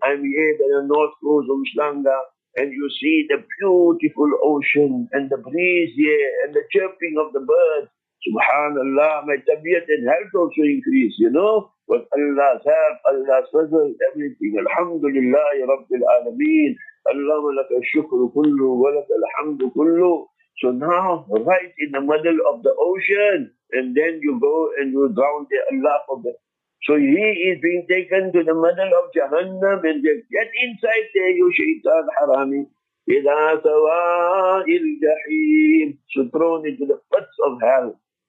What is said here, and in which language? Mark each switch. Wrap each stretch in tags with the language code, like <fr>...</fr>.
<en>I'm here by the north coast of Mshlanga and you see the beautiful ocean and the breeze here and the chirping of the birds. Subhanallah, my tabiat and health also increase, you know. With Allah's help, Allah's fazl, everything. Alhamdulillah, Rabbil Alameen.</en> <ar>اللهم لك الشكر كله ولك الحمد كله.</ar> <en>So now right in the middle of the ocean and then you go and you drown the Allah forbid. So he is being taken to the middle of Jahannam and they get inside there, you shaitan harami.</en> <ar>إِذَا سَوَاءِ الْجَحِيمِ</ar> <en>so thrown into the pits of hell.</en>